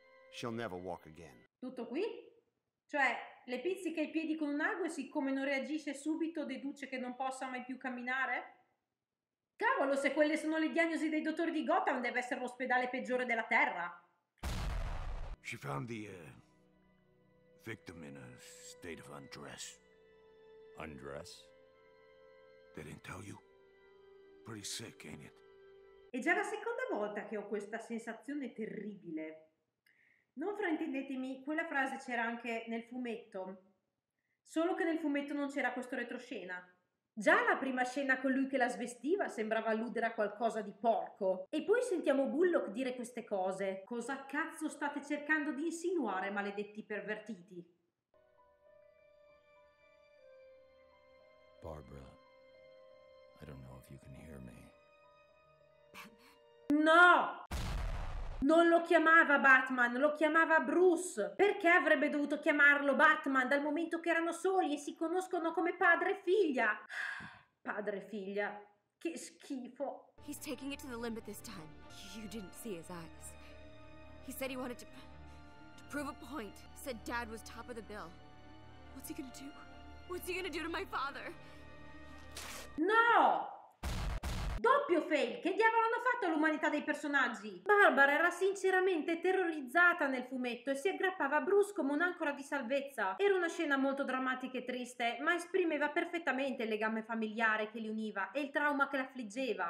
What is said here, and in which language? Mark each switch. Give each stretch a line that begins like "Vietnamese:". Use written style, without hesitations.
English: She'll never walk again.
Italian: Tutto qui? Cioè, le pizzica i piedi con un ago e siccome non reagisce subito deduce che non possa mai più camminare? Cavolo, se quelle sono le diagnosi dei dottori di Gotham, deve essere l'ospedale peggiore della Terra.
English: She found the victim in a state of undress. Undress? They didn't tell you? Pretty sick, ain't it?
Italian: È già la seconda volta che ho questa sensazione terribile. Non fraintendetemi, quella frase c'era anche nel fumetto. Solo che nel fumetto non c'era questo retroscena. Già la prima scena con lui che la svestiva sembrava alludere a qualcosa di porco. E poi sentiamo Bullock dire queste cose. Cosa cazzo state cercando di insinuare, maledetti pervertiti?
English: Barbara, I don't know if you can hear me. No!
Italian: Non lo chiamava Batman, lo chiamava Bruce. Perché avrebbe dovuto chiamarlo Batman dal momento che erano soli e si conoscono come padre e figlia? Padre e figlia, che schifo.
English: He's taking it to the limit this time. You didn't see his eyes. He said he wanted to prove a point. Said dad was top of the bill. What's he gonna do? What's he gonna do to my father?
Italian: No! Doppio fail! Che diavolo hanno fatto all'umanità dei personaggi? Barbara era sinceramente terrorizzata nel fumetto e si aggrappava a Bruce come un'ancora di salvezza. Era una scena molto drammatica e triste, ma esprimeva perfettamente il legame familiare che li univa e il trauma che l'affliggeva.